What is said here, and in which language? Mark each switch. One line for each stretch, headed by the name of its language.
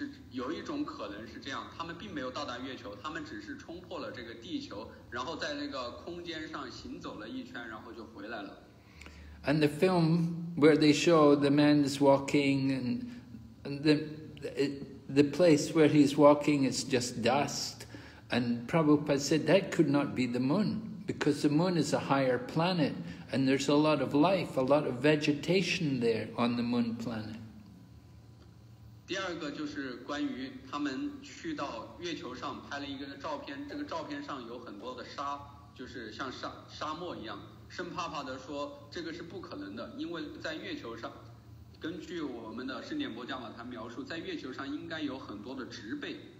Chinese: 有一种可能是这样，他们并没有到达月球，他们只是冲破了这个地球，然后在那个空间上行走了一圈，然后就回来了。
English: And the film where they show the man is walking and the place where he's walking is just dust. And Prabhupada said that could not be the moon, because the moon is a higher planet, and there's a lot of life, a lot of vegetation there on the moon planet.
Chinese: 第二个就是关于他们去到月球上拍了一个照片，这个照片上有很多的沙，就是像沙漠一样。圣帕帕的说这个是不可能的，因为在月球上，根据我们的圣典伯加瓦坛描述，在月球上应该有很多的植被。